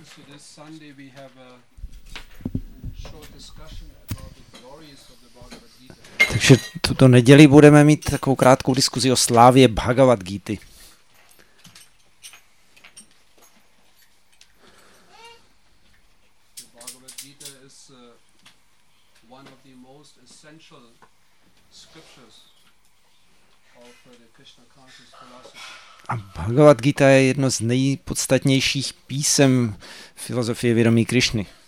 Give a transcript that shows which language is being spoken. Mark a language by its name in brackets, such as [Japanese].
[English] So this Sunday we have a short discussion about the glories of the Bhagavad Gita. [Czech] Takže tuto neděli budeme mít takovou krátkou diskuzi o slávě Bhagavad Gita. [English] The Bhagavad Gita is one of the most essential scriptures of the Krishna conscious philosophy. [Czech] A Bhagavad Gita je jedno z nejpodstatnějších písem filozofie vědomí Krišny.